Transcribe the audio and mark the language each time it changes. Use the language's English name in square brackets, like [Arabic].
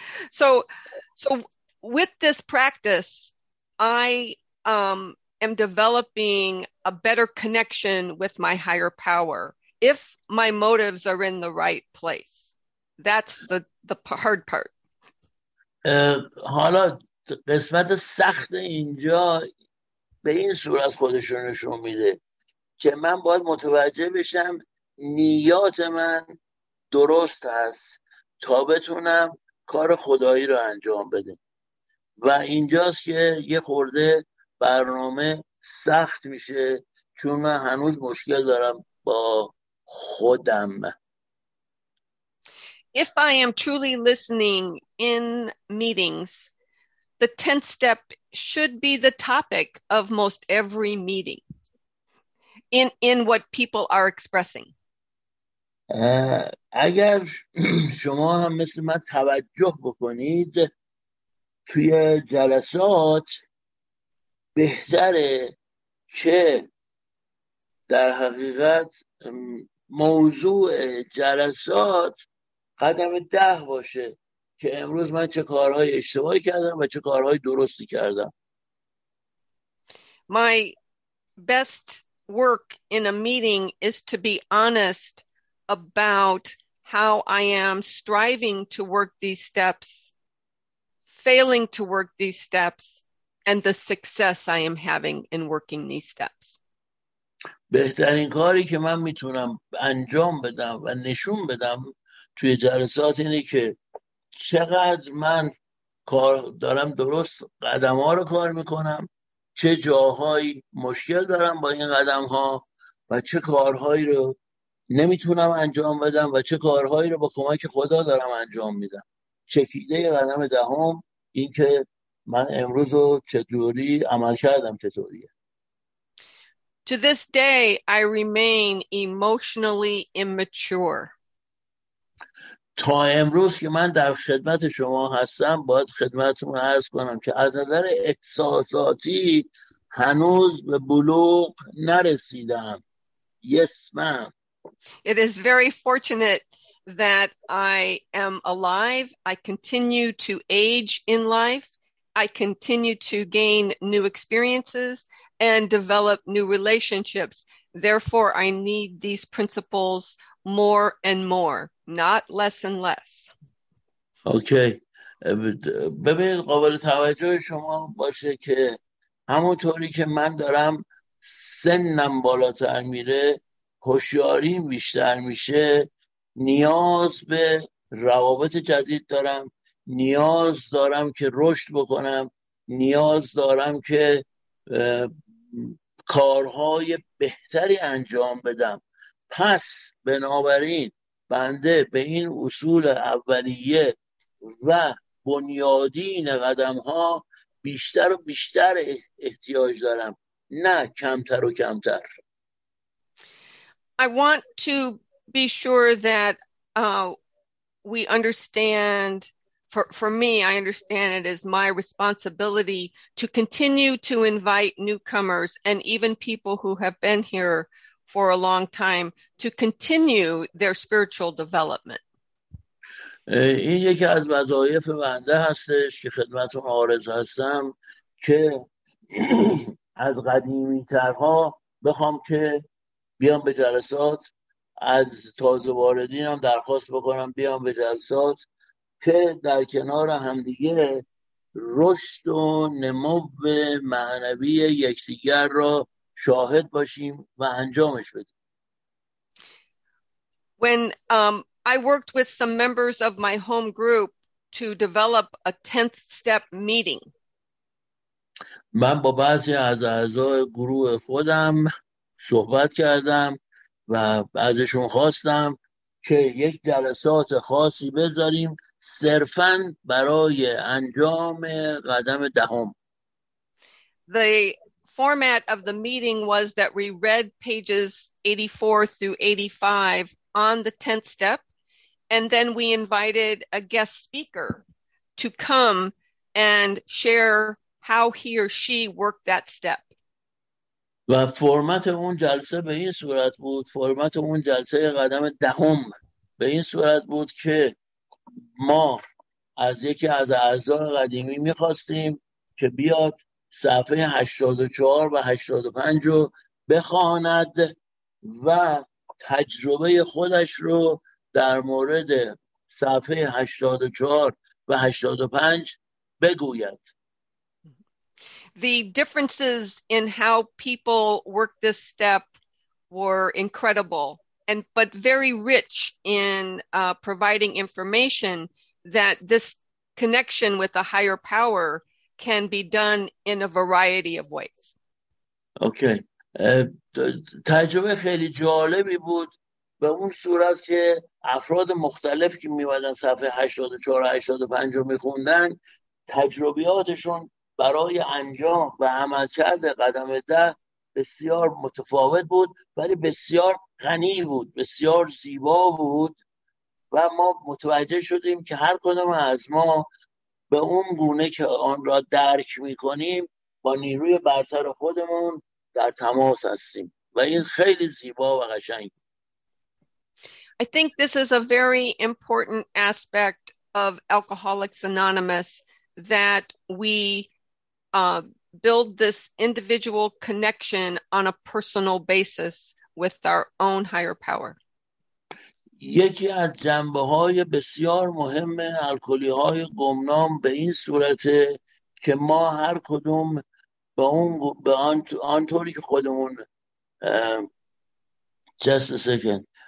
[English] So with this practice, I am developing a better connection with my higher power. If my motives are in the right place, that's the hard part. [Persian] حالا قسمت سخت اینجا به این صورت خودشون نشون میده که من باید متوجه بشم نیات من درست است تا بتونم کار خدایی رو انجام بدم. و اینجاست که یه خورده برنامه سخت میشه چون من هنوز مشکل دارم با خودم. [English] If I am truly listening in meetings, the 10th step should be the topic of most every meeting in what people are expressing. [Persian] اگر شما هم مثل من توجه بکنید توی جلسات بهتره که در حقیقت موضوع جلسات قدم ده باشه که امروز من چه کارهای اشتباهی کردم و چه کارهای درستی کردم. [English] My best work in a meeting is to be honest about how I am striving to work these steps, failing to work these steps, and the success I am having in working these steps. [Persian] بهترین کاری که من میتونم انجام بدم و نشون بدم توی جلسات اینه که چقدر من کار دارم درست قدم ها رو کار میکنم، چه جاهایی مشکل دارم با این قدم ها و چه کارهایی رو نمیتونم انجام بدم و چه کارهایی رو با کمک خدا دارم انجام میدم. چکیده قدم دهم این که من امروز رو چطوری عمل کردم چطوریه. [English] To this day, I remain emotionally immature. [Persian] تا امروز که من در خدمت شما هستم باید خدمتتون عرض کنم که از نظر احساساتی هنوز به بلوغ نرسیدم. [English] Yes, ma'am. It is very fortunate that I am alive. I continue to age in life. I continue to gain new experiences and develop new relationships. Therefore, I need these principles more and more, not less and less. Okay. [Persian] ببین قابل توجه شما باشه که همونطوری که من دارم سنم بالاتر میره، هوشیاریم بیشتر میشه، نیاز به روابط جدید دارم، نیاز دارم که رشد بکنم، نیاز دارم که کارهای بهتری انجام بدم. پس بنابراین بنده به این اصول اولیه و بنیادین قدم ها بیشتر و بیشتر احتیاج دارم، نه کمتر و کمتر. [English] I want to be sure that we understand, for me, I understand it as my responsibility to continue to invite newcomers and even people who have been here for a long time to continue their spiritual development. [Persian] این یکی از وظایف بنده هستش که خدمت رو عارض هستم که از قدیمی ترها بخوام که بیام به جلسات، از تازه واردین هم درخواست بکنم بیام به جلسات که در کنار همدیگه رشد و نمو معنوی یکدیگر را شاهد باشیم و انجامش بدیم. [English] I worked with some members of my home group to develop a 10th step meeting. [Persian] من با بعضی از اعضای گروه خودم صحبت کردم و ازشون خواستم که یک جلسات خاصی بذاریم صرفاً برای انجام قدم دهم. [English] The format of the meeting was that we read pages 84 through 85 on the 10th step. And then we invited a guest speaker to come and share how he or she worked that step. [Persian] و فرمت اون جلسه به این صورت بود، فرمت اون جلسه قدم دهم به این صورت بود که ما از یکی از اعضای قدیمی می‌خواستیم که بیاد صفحه 84 و 85 رو بخواند و تجربه خودش رو در مورد صفحه 84 و 85 بگوید. [English] The differences in how people work this step were incredible and but very rich in providing information that this connection with a higher power can be done in a variety of ways. Okay. [Persian] تجربه خیلی جالبی بود به اون صورت که افراد مختلف که میمدن صفحه 84 و 85 رو میخوندن تجربیاتشون برای انجام و عمل کرده قدم ده بسیار متفاوت بود، ولی بسیار غنی بود، بسیار زیبا بود و ما متوجه شدیم که هر کدوم از ما به اون گونه که آن را درک میکنیم با نیروی برتر خودمون در تماس هستیم و این خیلی زیبا و قشنگ. [English] I think this is a very important aspect of Alcoholics Anonymous that we build this individual connection on a personal basis with our own higher power. [Persian] یکی از جنبه‌های بسیار مهم الکلی‌های گمنام به این صورت که ما هر کدوم به آن طوری که خودمون [English] just a second